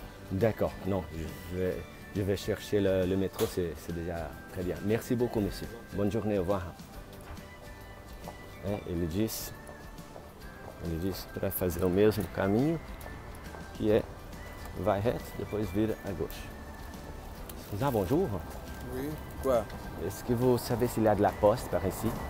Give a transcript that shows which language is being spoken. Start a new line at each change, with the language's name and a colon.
French: D'accord. Non, je vais chercher le métro. C'est déjà très bien. Merci beaucoup, monsieur. Bonne journée. Au revoir.
Portuguese: Ele disse para fazer o mesmo caminho, que é vai reto, depois vira à gauche.
French: Ah, bonjour. Oui, quoi? Est-ce que vous savez s'il y a de la poste par ici?